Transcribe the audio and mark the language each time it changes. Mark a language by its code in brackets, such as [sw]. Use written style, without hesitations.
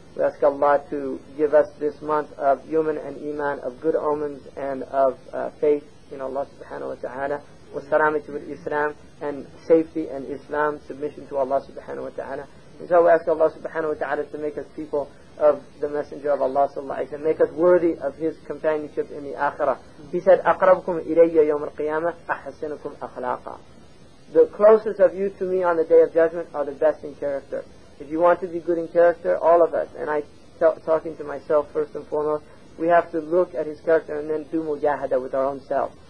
[en] We ask Allah to give us this month of yuman and iman, of good omens and of faith in Allah subhanahu wa ta'ala, wa salamati wal islam, and safety and Islam, submission to Allah subhanahu wa ta'ala. And so we ask Allah subhanahu wa ta'ala to make us people of the Messenger of Allah sallallahu alayhi wa sallam, make us worthy of his companionship in the Akhirah. [ar] He said, أَقْرَبْكُمْ إِلَيَّ يَوْمَ الْقِيَامَةِ أَحَسِّنُكُمْ أَخْلَاقًا. [en] The closest of you to me on the Day of Judgment are the best in character. If you want to be good in character, all of us, and I talking to myself first and foremost, we have to look at his character and then do mujahada with our own self.